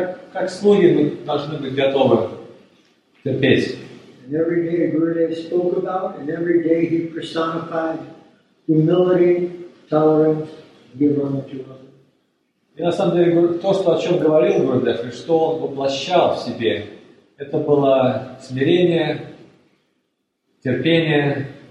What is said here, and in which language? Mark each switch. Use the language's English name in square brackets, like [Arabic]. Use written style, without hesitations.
[Russian] Как слуги мы должны быть готовы терпеть. [English] And every day Gurudev spoke about, and every day he personified humility, tolerance, giving to others. [Russian] И на самом деле то, что о чем говорил Гурудев, и что он воплощал в себе, это было смирение, терпение.